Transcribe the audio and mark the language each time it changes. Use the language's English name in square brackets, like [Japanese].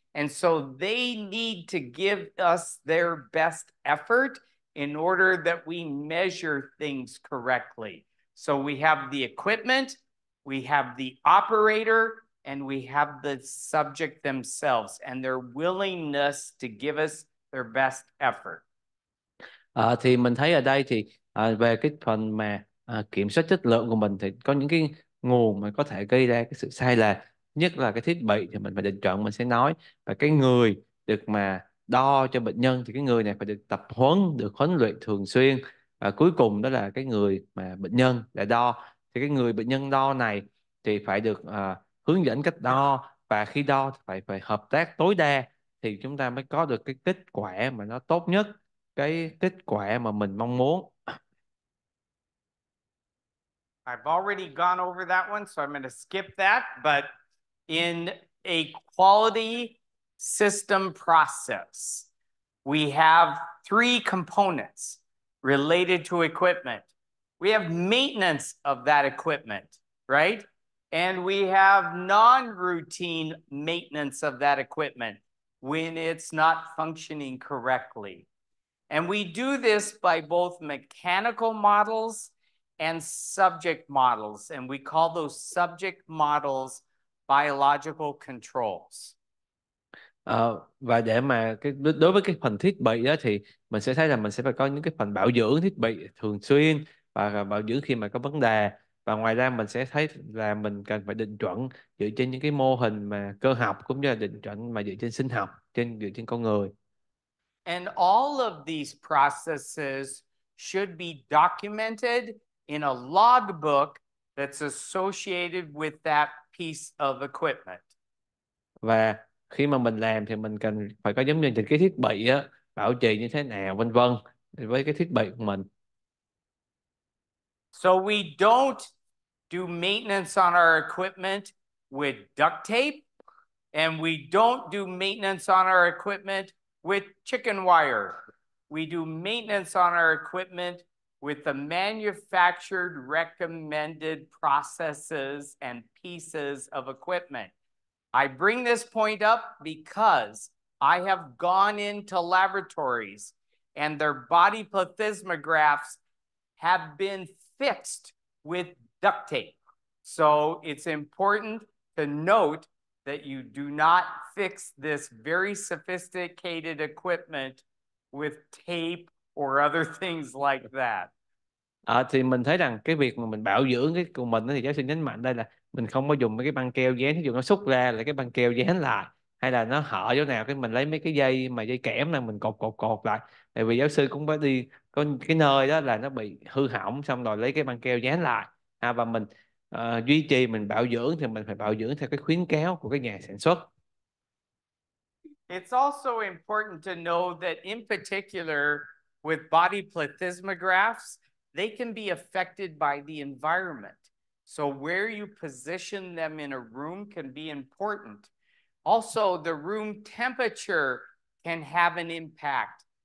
[English] And so they need to give us their best effort in order that we measure things correctly. So we have the equipment, we have the operator, and we have the subject themselves and their willingness to give us their best effort. [Vietnamese] Thì mình thấy ở đây thì về cái phần mà kiểm soát chất lượng của mình thì có những cái nguồn mà có thể gây ra cái sự sai lệch, nhất là cái thiết bị thì mình phải định chọn, mình sẽ nói. Và cái người được mà đo cho bệnh nhân thì cái người này phải được tập huấn, được huấn luyện thường xuyên. Và cuối cùng đó là cái người mà bệnh nhân để đo. Thì cái người bệnh nhân đo này thì phải được hướng dẫn cách đo, và khi đo phải hợp tác tối đa thì chúng ta mới có được cái kết quả mà nó tốt nhất, cái kết quả mà mình mong muốn. [English] I've already gone over that one, so I'm going to skip that. But in a quality system process, we have three components related to equipment. We have maintenance of that equipment, right? And we have non-routine maintenance of that equipment when it's not functioning correctly. And we do this by both mechanical models and subject models, and we call those subject models biological controls. [Vietnamese] Và để mà đối với cái phần thiết bị đó thì mình sẽ thấy là mình sẽ phải có những cái phần bảo dưỡng thiết bị thường xuyên và bảo dưỡng khi mà có vấn đề. Và ngoài ra mình sẽ thấy là mình cần phải định chuẩn dựa trên những cái mô hình mà cơ học, cũng như là định chuẩn mà dựa trên sinh học, trên dựa trên con người. [English] And all of these processes should be documented in a logbook that's associated with that piece of equipment. [Vietnamese] Và khi mà mình làm thì mình cần phải có giống như cái thiết bị á, bảo trì như thế nào, vân vân, với cái thiết bị của mình. [English] So we don't do maintenance on our equipment with duct tape, and we don't do maintenance on our equipment with chicken wire. We do maintenance on our equipment with the manufactured recommended processes and pieces of equipment. I bring this point up because I have gone into laboratories and their body plethysmographs have been fixed with duct tape. So it's important to note that you do not fix this very sophisticated equipment with tape or other things like that. [Vietnamese] Thì mình thấy rằng cái việc mà mình bảo dưỡng cái của mình thì giáo sư nhấn mạnh đây là mình không có dùng mấy cái băng keo dán, ví dụ nó xúc ra là cái băng keo dán lại, hay là nó hở chỗ nào cái mình lấy mấy cái dây mà dây kẽm là mình cột lại. Tại vì giáo sư cũng có đi có cái nơi đó là nó bị hư hỏng xong rồi lấy cái băng keo dán lại. Và mình duy trì, mình bảo dưỡng thì mình phải bảo dưỡng theo cái khuyến cáo của cái nhà sản xuất. [English] It's also important to know that in particular with body plethysmographs, they can be affected by the environment. So where you position them in a room can be important. Also, the room temperature can have an impact.